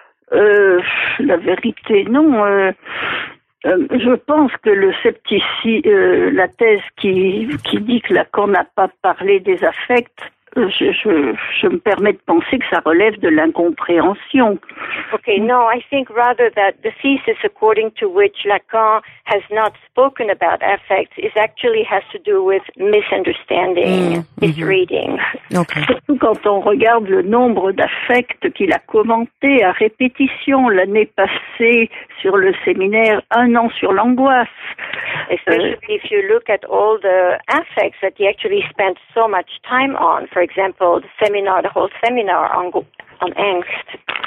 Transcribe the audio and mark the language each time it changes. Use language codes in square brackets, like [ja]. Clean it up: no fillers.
[fr] La vérité, non. Je pense que le scepticisme, la thèse qui dit que Lacan n'a pas parlé des affects, je me permets de penser que ça relève de l'incompréhension. [en] Okay, no, I think rather that the thesis according to which Lacan has not spoken about affects is actually has to do with misunderstanding, misreading. Okay. [fr] Surtout quand on regarde le nombre d'affects qu'il a commenté à répétition l'année passée sur le séminaire Un an sur l'angoisse. [en] Especially if you look at all the affects that he actually spent so much time on, for example, the whole seminar on angst.